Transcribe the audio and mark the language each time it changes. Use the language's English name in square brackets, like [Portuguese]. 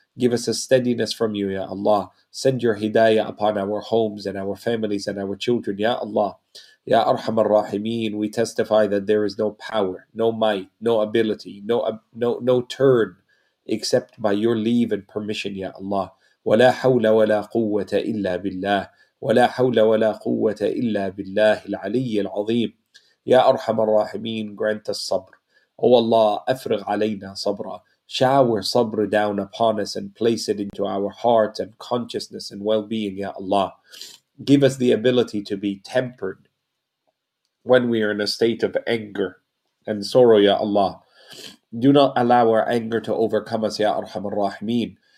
[English] Give us a steadiness from you, Ya Allah. Send your hidayah upon our homes and our families and our children, Ya Allah. Ya Arhamar Rahimeen, we testify that there is no power, no might, no ability, no turn except by your leave and permission, Ya Allah. [Arabic] وَلَا حَوْلَ وَلَا قُوَّةَ إِلَّا بِاللَّهِ وَلَا حَوْلَ وَلَا قُوَّةَ إِلَّا بِاللَّهِ الْعَلِيِّ الْعَظِيمِ [English] Ya Arhamar Rahimeen, grant us sabr. O Allah, [Arabic] أفرغ علينا صبرا. [English] Shower sabr down upon us and place it into our heart and consciousness and well-being, Ya Allah. Give us the ability to be tempered when we are in a state of anger and sorrow, Ya Allah. Do not allow our anger to overcome us, Ya Arhamar Rahimeen.